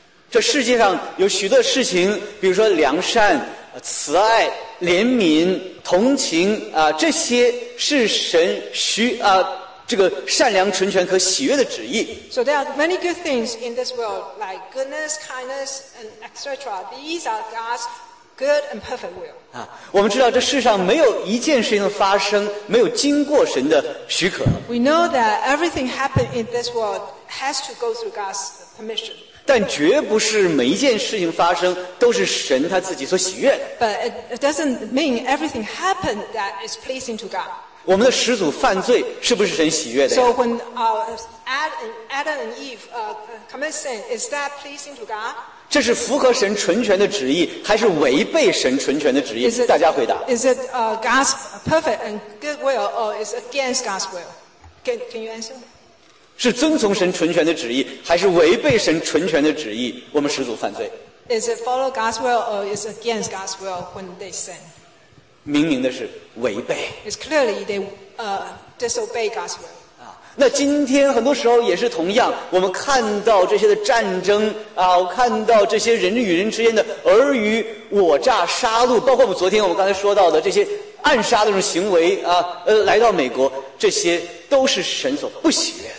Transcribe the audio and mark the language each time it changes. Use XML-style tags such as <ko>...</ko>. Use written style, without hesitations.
<zh>这世界上有许多事情，比如说良善、慈爱、怜悯、同情这些是神这个善良、纯全和喜悦的旨意。</zh> <en>So there are many good things in this world, like goodness, kindness, and etc. These are God's good and perfect will.</en> <zh>啊，我们知道这世上没有一件事情的发生没有经过神的许可。</zh> <en>We know that everything happened in this world has to go through God's permission.</en> <zh>但绝不是每一件事情发生都是神他自己所喜悦的。</zh> <en>But it doesn't mean everything happened that is pleasing to God.</en> <zh>我们的始祖犯罪是不是神喜悦的</zh> <en>？So when Adam and Eve commit sin, is that pleasing to God?</en> <zh>这是符合神纯全的旨意，还是违背神纯全的旨意？</zh> <en>It,</en> <zh>大家回答。</zh> <en>Is it God's perfect and good will, or is it against God's will? Can you answer?</en> <zh>是遵从神纯全的旨意还是违背神纯全的旨意我们始祖犯罪</zh> <en>Is it follow God's will or is it against God's will when they sin?</en> <zh>明明的是违背</zh> <en>It's clearly they disobey God's will</en> <zh>那今天很多时候也是同样我们看到这些的战争啊，看到这些人与人之间的尔虞我诈杀戮包括我们昨天我们刚才说到的这些暗杀的这种行为啊，来到美国这些都是神所不喜悦的</zh>